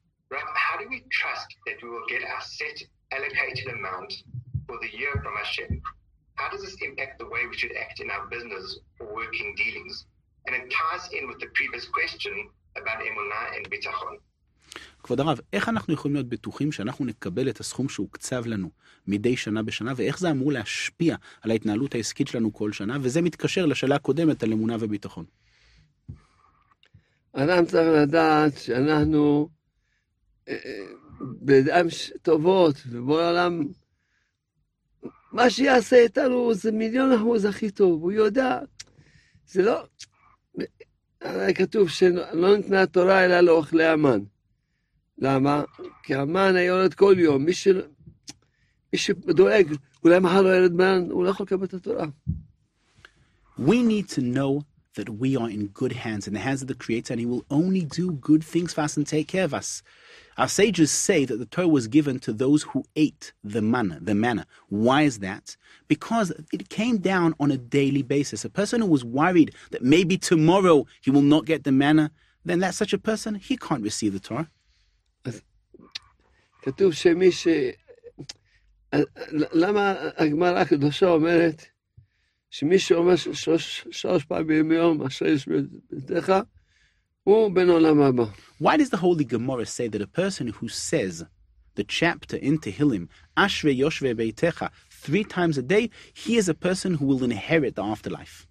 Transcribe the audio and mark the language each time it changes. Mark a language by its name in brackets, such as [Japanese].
[English] Rav, how do we trust that we will get our set allocated amount for the year from Hashem? How does this impact the way we should act in our business or working dealings? And it ties in with the previous question about emunah and bitachon. [Hebrew] כבוד הרב, איך אנחנו יכולים להיות בטוחים שאנחנו נקבל את הסכום שהוקצב לנו מדי שנה בשנה, ואיך זה אמור להשפיע על ההתנהלות העסקית שלנו כל שנה? וזה מתקשר לשאלה הקודמת על אמונה וביטחון. אדם צריך לדעת שאנחנו בידיים טובות, ובורא עולם, מה שיעשה איתנו זה מיליון אחוז הכי טוב, הוא יודע, זה לא, הרי כתוב שלא ניתנה התורה אלא לאוכלי המן. למה? כי המן יורד כל יום, מי שדואג, אולי מחר לא ירד מן, הוא לא יכול לקבל את התורה. [English] We need to know that we are in good hands, in the hands of the Creator, and He will only do good things for us and take care of us. Our sages say that the Torah was given to those who ate the manna. Why is that? Because it came down on a daily basis. A person who was worried that maybe tomorrow he will not get the manna, then that's such a person, he can't receive the Torah. [Hebrew] כתוב שמי ש... למה הגמרא הקדושה אומרת שמי שאומר שלוש פעמים ביום אשר יש בביתך, הוא בן עולם הבא. [English] Why does the Holy Gemara say that a person who says the chapter in Tehillim, [Hebrew] אשרי יושבי ביתך, [English] three times a day, he is a person who will inherit the afterlife?